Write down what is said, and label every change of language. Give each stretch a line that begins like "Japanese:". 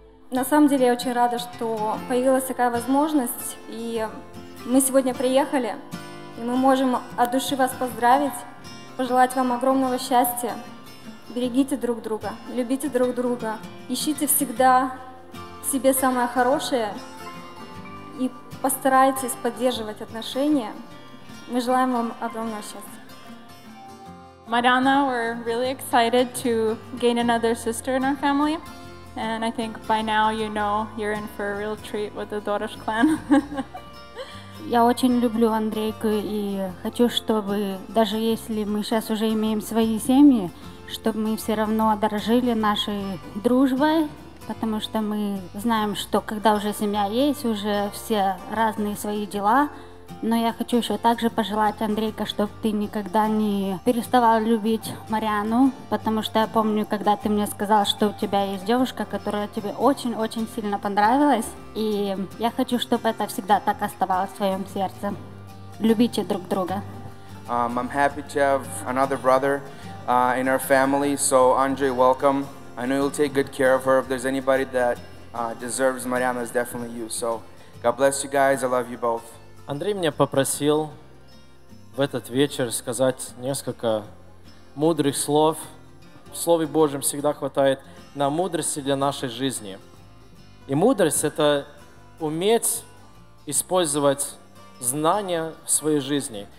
Russian: На самом деле я очень рада, что появилась такая возможность, и мы сегодня приехали, и мы можем от души вас поздравить, пожелать вам огромного счастья. Берегите друг друга, любите друг друга, ищите всегда в себе самое хорошее и постарайтесь поддерживать отношения. Мы желаем вам огромного счастья.
English: Mariana, we're really excited to gain another sister in our family. And I think by now you know you're in for a real treat with the Dorosh clan.
Russian: Я очень люблю Андрейку и хочу, чтобы даже если мы сейчас уже имеем свои семьи, чтобы мы все равно дорожили нашей дружбой, потому что мы знаем, что когда уже семья есть, уже все разные свои дела. Но я хочу еще также пожелать, Андрейка, чтобы ты никогда не переставал любить Мариану, потому что я помню, когда ты мне сказал, что у тебя есть девушка, которая тебе очень-очень сильно понравилась, и я хочу, чтобы это всегда так оставалось в твоем сердце. Любите друг друга.
English: I'm happy to have another brother in our family, so Andrey, welcome. I know you'll take good care of her. If there's anybody that deserves Mariana, it's definitely you. So God bless you guys. I love you both.
Russian: Андрей меня попросил в этот вечер сказать несколько мудрых слов. В Слове Божьем всегда хватает на мудрости для нашей жизни. И мудрость – это уметь использовать знания в своей жизни.